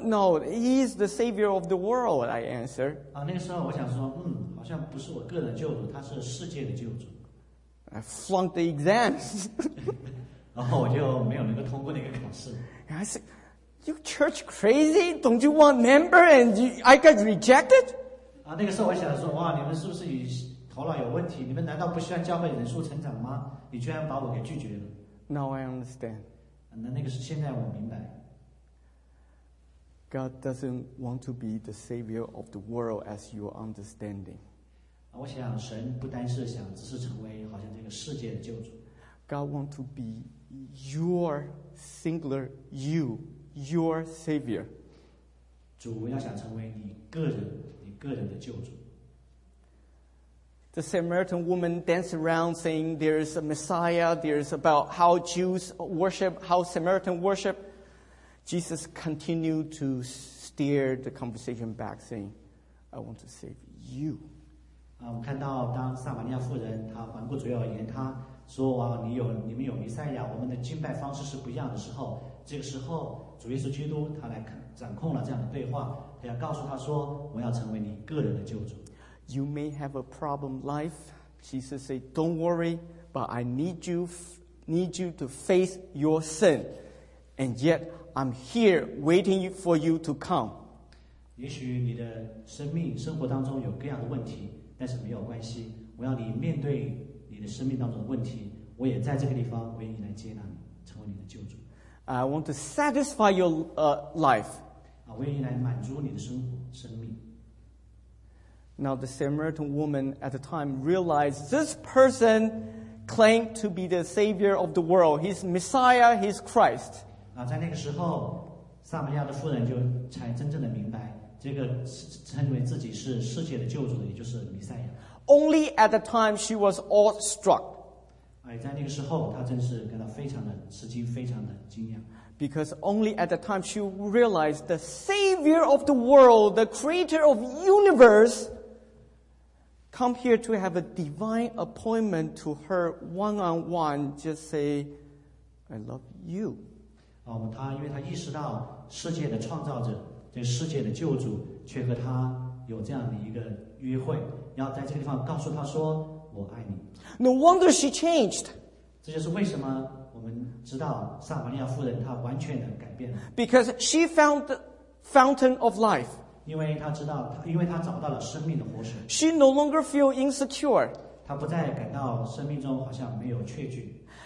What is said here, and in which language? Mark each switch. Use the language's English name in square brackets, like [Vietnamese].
[English] No, he is the savior of the world, I answer. [Chinese] 那个时候我想说，好像不是我个人的救主，他是世界的救主。 [English] I flunked the exams. [Chinese] 然后我就没有能够通过那个考试。 [English] I said, you church crazy? Don't you want member? And I got rejected? [Chinese] 那个时候我想说，哇，你们是不是头脑有问题？你们难道不希望教会人数成长吗？你居然把我给拒绝了。 [English] Now I understand. [Chinese] 那个是现在我明白。 [English] God doesn't want to be the savior of the world as your understanding. [Chinese] 我想神不单是想只是成为好像这个世界的救主。 [English] God want to be your singular you, your savior. [Chinese] 主要想成为你个人的救主。 [English] The Samaritan woman danced around saying there is a Messiah, there is about how Jews worship, how Samaritan worship. Jesus continued to steer the conversation back saying, I want to save you. [Chinese] 我看到当撒玛利亚妇人她环顾左右而言，她说你们有弥赛亚，我们的敬拜方式是不一样的时候，这个时候主耶稣基督他来掌控了这样的对话，他要告诉他说，我要成为你个人的救主。 [English] You may have a problem life. Jesus said, don't worry, but I need you to face your sin. And yet, I'm here waiting for you to come. [Chinese] 也许你的生命生活当中有各样的问题，但是没有关系，我要你面对你的生命当中的问题，我也在这个地方为你来接纳你，成为你的救主。 [English] I want to satisfy your life. [Chinese] 我愿意来满足你的生命。 [English] Now the Samaritan woman at the time realized this person claimed to be the savior of the world. He's Messiah, he's Christ. [Chinese] 在那个时候，撒玛利亚的妇人就才真正的明白，这个称为自己是世界的救主的，也就是弥赛亚。 [English] Only at the time she was awestruck. [Chinese] 在那个时候，她真是感到非常的吃惊，非常的惊讶。 [English] Because only at the time she realized the savior of the world, the creator of universe, come here to have a divine appointment to her one-on-one, just say, I love you. [Chinese] 因为她意识到世界的创造者，这世界的救主，却和她有这样的一个约会，要在这个地方告诉她说，我爱你。 [English] No wonder she changed. [Chinese] 这就是为什么我们知道撒玛利亚妇人她完全的改变了。 [English] Because she found the fountain of life. [Chinese] 因为她找到了生命的活水。 [English] She no longer feel insecure. [Chinese] 她不再感到生命中好像没有确据。